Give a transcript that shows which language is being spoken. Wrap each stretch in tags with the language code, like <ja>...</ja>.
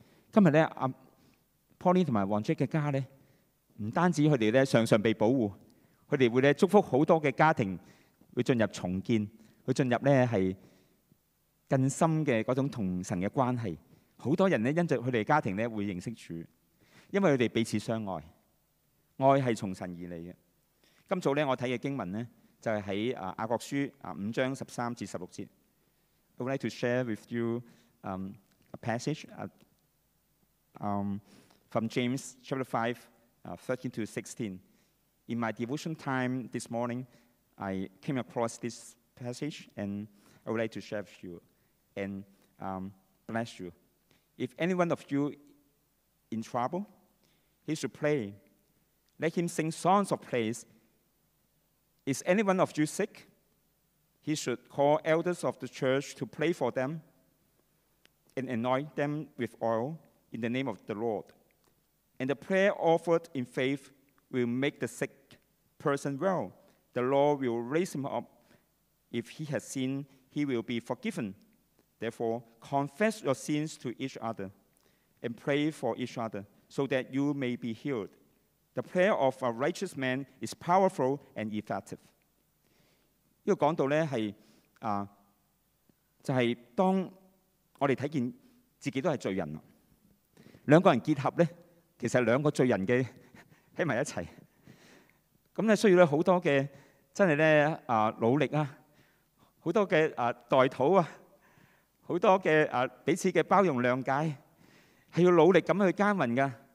<zh>今天呢Pauline 和王爵的家呢，不單止他們呢常常被保護，他們會祝福很多的家庭會進入重建，會進入呢是更深的那種跟神的關係。很多人因着他们的家庭会认识主，因为他们彼此相爱，爱是从神而来的。今早我看的经文就是在雅各书五章十三至十六节。</zh> <en>I would like to share with you a passage from James chapter 5 13 to 16. In my devotion time this morning, I came across this passage and I would like to share with you and bless you. If any one of you in trouble, he should pray. Let him sing songs of praise. Is any one of you sick? He should call elders of the church to pray for them and anoint them with oil in the name of the Lord. And the prayer offered in faith will make the sick person well. The Lord will raise him up. If he has sinned, he will be forgiven. Therefore, confess your sins to each other and pray for each other so that you may be healed. The prayer of a righteous man is powerful and effective.</en> <zh>这个讲到呢是就是当我们看见自己都是罪人，两个人结合呢其实是两个罪人的在一起，那需要很多的真的努力啊，很多的代祷啊，很多的彼此的包容諒解，是要努力地去耕耘的。</zh>